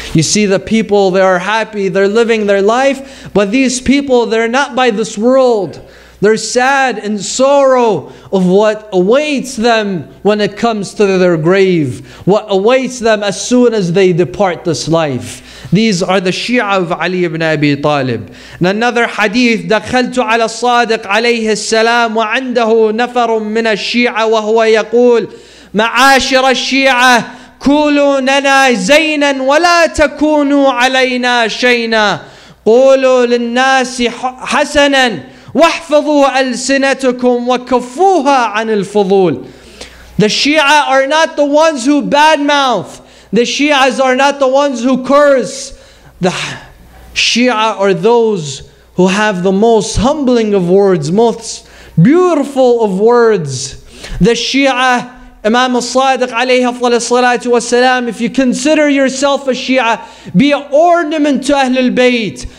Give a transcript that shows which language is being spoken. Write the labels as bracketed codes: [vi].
[en] You see the people, they are happy, they're living their life, but these people, they're not by this world. They're sad and sorrow of what awaits them when it comes to their grave. What awaits them as soon as they depart this life. These are the Shia of Ali ibn Abi Talib. And another hadith, [ar] دَخَلْتُ عَلَى الصَّادِقِ عَلَيْهِ السَّلَامُ وَعَنْدَهُ نَفَرٌ مِّنَ الشِّيعَ وَهُوَ يَقُولُ مَعَاشِرَ الشِّيعَ كُولُوا لَنَا زَيْنًا وَلَا تَكُونُوا عَلَيْنَا شَيْنًا قُولُوا لِلنَّاسِ حَسَنًا وَاحْفَظُوا أَلْسِنَتُكُمْ وَكَفُّوهَا عَنِ الْفُضُولِ. [en] The Shia are not the ones who badmouth. The Shias are not the ones who curse. The Shia are those who have the most humbling of words, most beautiful of words. The Shia, Imam al-Sadiq alayhi afdal as-salatu was-salam, if you consider yourself a Shia, be an ornament to Ahlul Bayt.